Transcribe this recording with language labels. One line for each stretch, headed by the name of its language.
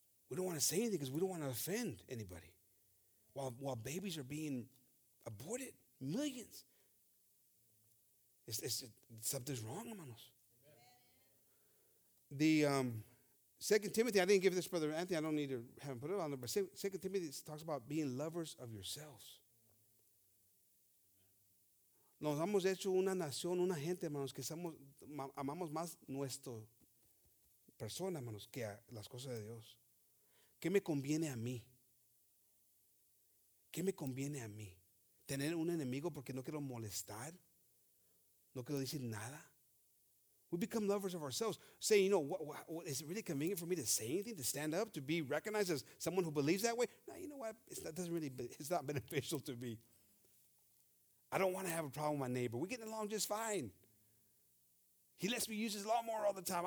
English: We don't want to say anything because we don't want to offend anybody. While babies are being aborted, millions. It's something's wrong among us. The 2 Timothy, I didn't give this Brother Anthony. I don't need to have him put it on there. But 2 Timothy talks about being lovers of yourselves.
Spanish: Nos hemos hecho una nación, una gente, hermanos, que amamos más nuestra persona, hermanos, que las cosas de Dios. ¿Qué me conviene a mí? ¿Qué me conviene a mí? ¿Tener un enemigo porque no quiero molestar? ¿No quiero decir nada?
English: We become lovers of ourselves, saying, you know, what, is it really convenient for me to say anything, to stand up, to be recognized as someone who believes that way? No, you know what? It's not beneficial to me. I don't want to have a problem with my neighbor. We're getting along just fine. He lets me use his lawnmower all the time.